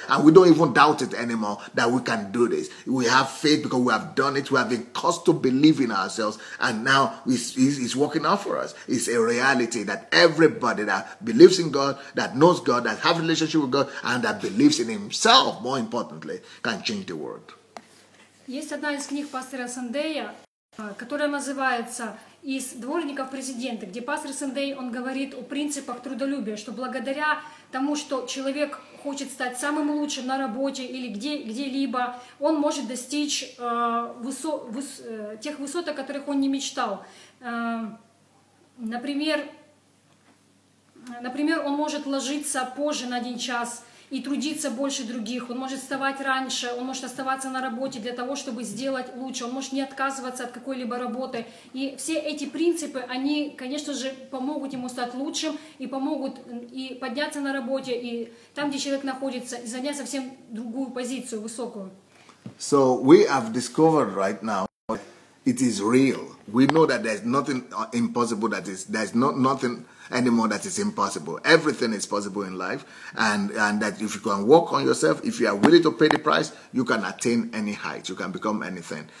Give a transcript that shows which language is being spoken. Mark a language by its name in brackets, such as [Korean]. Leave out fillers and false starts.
[English] And we don't even doubt it anymore that we can do this. We have faith. Because we have done it, we have been caused to believe in ourselves, and now it's working out for us. It's a reality that everybody that believes in God, that knows God, that has a relationship with God, and that believes in himself, more importantly, can change the world. [Russian] Есть одна из книг пастора Сандея, которая называется «Из дворников президента», где пастор Сандей, он говорит о принципах трудолюбия, что благодаря тому, что человек хочет стать самым лучшим на работе или где-либо, он может достичь тех высот, о которых он не мечтал. Например, он может ложиться позже на один час и трудиться больше других, он может вставать раньше, он может оставаться на работе для того, чтобы сделать лучше, он может не отказываться от какой-либо работы. И все эти принципы, они, конечно же, помогут ему стать лучшим и помогут и подняться на работе, и там, где человек находится, и занять совсем другую позицию, высокую. [English] So we have discovered right now that it is real. We know that there's nothing impossible, that is, there's not nothing anymore that is impossible. Everything is possible in life, and that if you can work on yourself, if you are willing to pay the price, you can attain any height, you can become anything.